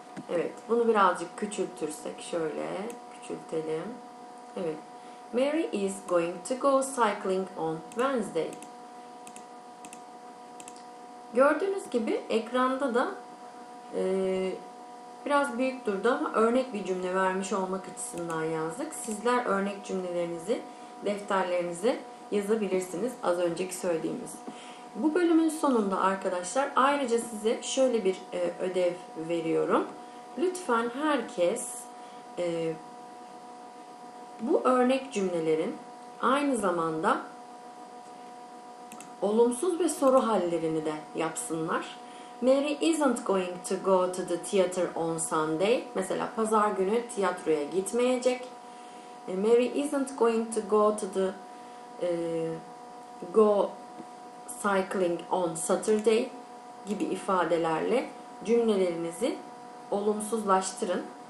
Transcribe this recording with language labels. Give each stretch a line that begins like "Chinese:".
Turkish: Evet, bunu birazcık küçültürsek şöyle küçültelim. Evet.
English: Mary is going to go cycling on Wednesday.
Turkish: Gördüğünüz gibi ekranda da biraz büyük durdu ama örnek bir cümle vermiş olmak açısından yazdık. Sizler örnek cümlelerinizi defterlerinize yazabilirsiniz az önceki söylediğimiz. Bu bölümün sonunda arkadaşlar ayrıca size şöyle bir ödev veriyorum. Lütfen herkes bu örnek cümlelerin aynı zamanda olumsuz ve soru hallerini de yapsınlar.
English: Mary isn't going to go to the theater on Sunday.
Turkish: Mesela pazar günü tiyatroya gitmeyecek.
English: Mary isn't going to go to the go cycling on Saturday
Turkish: gibi ifadelerle cümlelerinizi olumsuzlaştırın.